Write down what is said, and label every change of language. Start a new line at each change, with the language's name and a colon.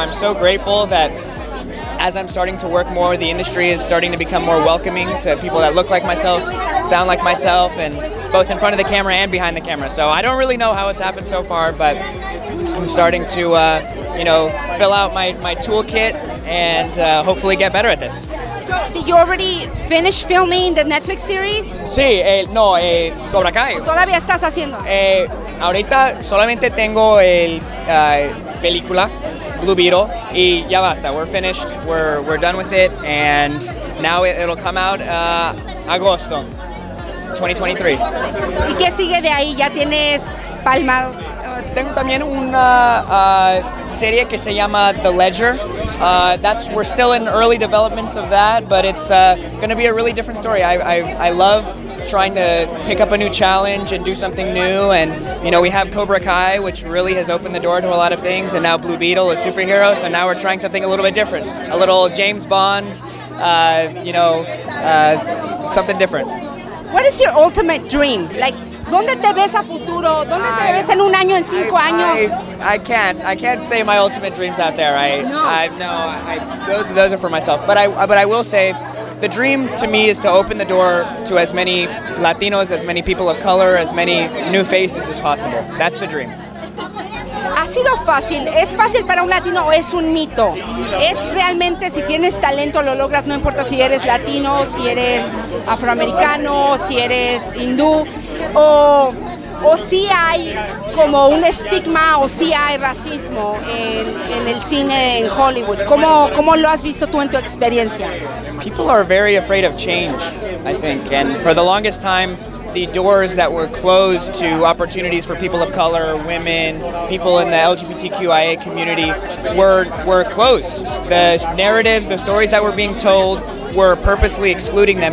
English: I'm so grateful that as I'm starting to work more, the industry is starting to become more welcoming to people that look like myself, sound like myself, and both in front of the camera and behind the camera. So I don't really know how it's happened so far, but I'm starting to you know, fill out my toolkit and hopefully get better at this. So, did you already finish filming the Netflix series?
Spanish: Sí, no, Cobra Kai. ¿Todavía estás haciendo? Ahorita solamente tengo el película Blue Beetle, y ya basta.
English: We're finished. We're done with it, and now it'll come out agosto 2023. ¿Y qué sigue de ahí? ¿Ya tienes palmado?
Spanish: Tengo también una serie que se llama The Ledger.
English: We're still in early developments of that, but it's going to be a really different story. I love trying to pick up a new challenge and do something new, and you know, we have Cobra Kai, which really has opened the door to a lot of things, and now Blue Beetle, a superhero, so now we're trying something a little bit different. A little James Bond, you know, something different. What is your ultimate dream? Like,
Spanish: ¿dónde te ves a futuro? ¿Dónde te ves en un año, en cinco años?
English: I can't say my ultimate dreams out there. No, those are for myself. But I will say, the dream to me is to open the door to as many Latinos, as many people of color, as many new faces as possible. That's the dream.
Spanish: ¿Ha sido fácil? ¿Es fácil para un latino o es un mito? ¿Es realmente, si tienes talento, lo logras, no importa si eres latino, si eres afroamericano, si eres hindú, o si hay como un estigma, o si hay racismo en el cine, en Hollywood? ¿Cómo lo has visto tú en tu experiencia?
English: People are very afraid of change, I think, and for the longest time, the doors that were closed to opportunities for people of color, women, people in the LGBTQIA community were closed. The narratives, the stories that were being told were purposely excluding them.